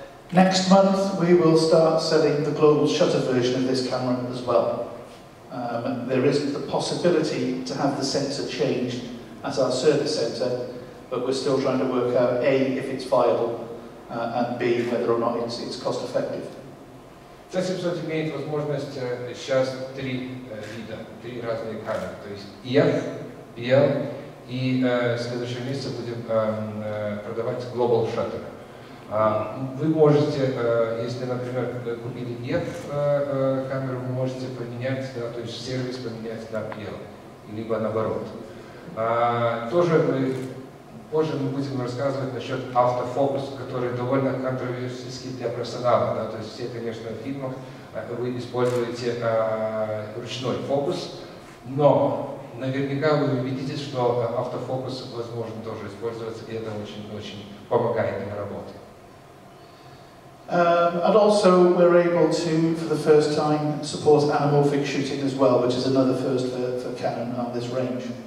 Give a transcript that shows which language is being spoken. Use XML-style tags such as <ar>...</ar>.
<en>Next month, we will start selling the global shutter version of this camera as well. There is the possibility to have the sensor changed as our service center, but we're still trying to work out A, if it's viable, and B, whether or not it's cost effective.</en> <ru>C700 имеет возможность сейчас три вида, три разные камеры, то есть EF, BL, и в следующем месяце будем продавать global shutter. Вы можете, если, например, купили EF камеру, вы можете поменять, да, то есть сервис поменять на PL, либо наоборот. Тоже позже мы будем рассказывать насчет автофокуса, который довольно контроверсийский для профессионала. Да, то есть все, конечно, в фильмах вы используете ручной фокус, но наверняка вы убедитесь, что автофокус возможен тоже использоваться, и это очень-очень помогает им работать.</ru> <en>And also, we're able to, for the first time, support anamorphic shooting as well, which is another first for Canon on this range.</en>